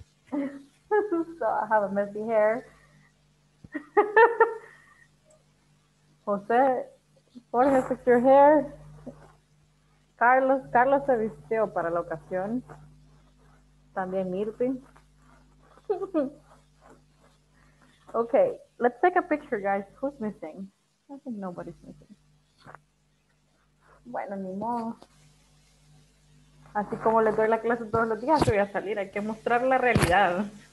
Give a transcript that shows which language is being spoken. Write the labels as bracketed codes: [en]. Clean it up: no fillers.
[en] So I have a messy hair. [es] José, Jorge, [en] fix your hair. [es] Carlos se vistió para la ocasión. También Mirti. [en] Ok, let's take a picture, guys. Who's missing? I think nobody's missing. [es] Bueno, ni modo. Así como les doy la clase todos los días, voy a salir. Hay que mostrar la realidad.